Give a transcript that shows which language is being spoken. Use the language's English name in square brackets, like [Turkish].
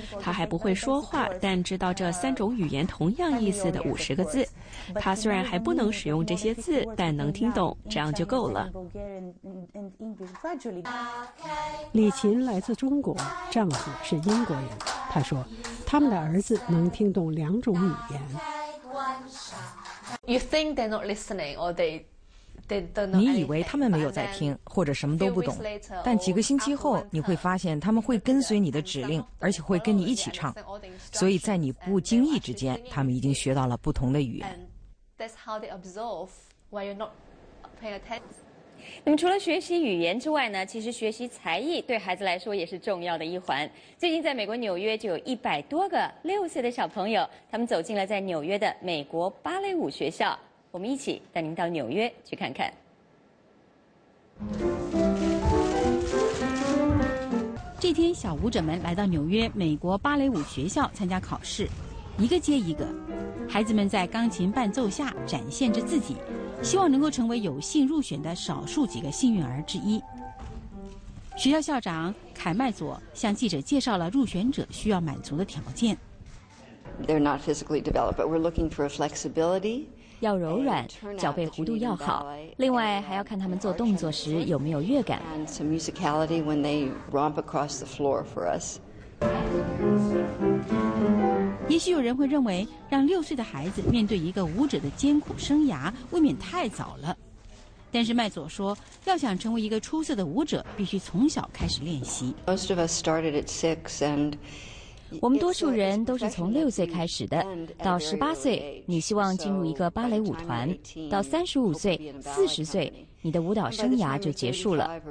[Chinese] 他还不会说话，但知道这3种语言同样意思的50个字。他虽然还不能使用这些字，但能听懂，这样就够了。李琴来自中国，丈夫是英国人。他说，他们的儿子能听懂2种语言。 [English] You think they're not listening, or they don't know anything. [Chinese] 你以为他们没有在听，或者什么都不懂，但几个星期后，你会发现他们会跟随你的指令，而且会跟你一起唱。所以在你不经意之间，他们已经学到了不同的语言。 [English] That's how they absorb when you're not paying attention. [Chinese] 那么除了学习语言之外呢，其实学习才艺对孩子来说也是重要的一环。最近在美国纽约就有100多个6岁的小朋友，他们走进了在纽约的美国芭蕾舞学校。我们一起带您到纽约去看看。这天小舞者们来到纽约美国芭蕾舞学校参加考试，一个接一个，孩子们在钢琴伴奏下展现着自己，希望能够成为有幸入选的少数几个幸运儿之一。学校校长凯麦佐向记者介绍了入选者需要满足的条件。 [English] They're not physically developed, but we're looking for flexibility. [Chinese] 要柔软，脚背弧度要好，另外还要看他们做动作时有没有乐感。 [English] And some musicality when they romp across the floor for us. [Chinese] 也许有人会认为，让6岁的孩子面对一个舞者的艰苦生涯，未免太早了。但是麦佐说，要想成为一个出色的舞者，必须从小开始练习。 [English] Most of us started at 6, and [Chinese] 我们多数人都是从6岁开始的。到18岁，你希望进入一个芭蕾舞团；到35岁、40岁，你的舞蹈生涯就结束了。